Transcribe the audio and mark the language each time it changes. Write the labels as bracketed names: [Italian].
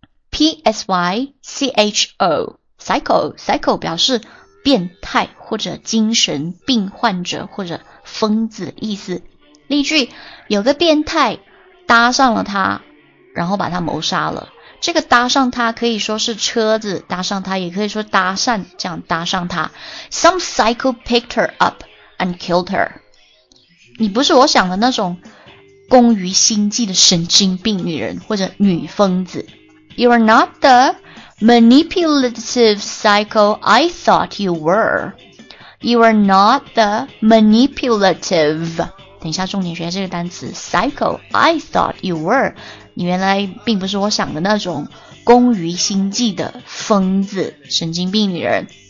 [Chinese] P-S-Y-C-H-O Psycho Psycho 表示变态或者精神病患者或者疯子的意思。例句，有个变态搭上了他，然后把他谋杀了。这个搭上他可以说是车子搭上他，也可以说搭讪，这样搭上他。 [English] Some psycho picked her up and killed her. [Chinese] 你不是我想的那种工于心计的神经病女人或者女疯子。 [English] You are not the manipulative psycho I thought you were. You are not the manipulative. [Chinese] 等一下重点学这个单词 [English] psycho I thought you were. [Chinese] 你原来并不是我想的那种工于心计的疯子神经病女人。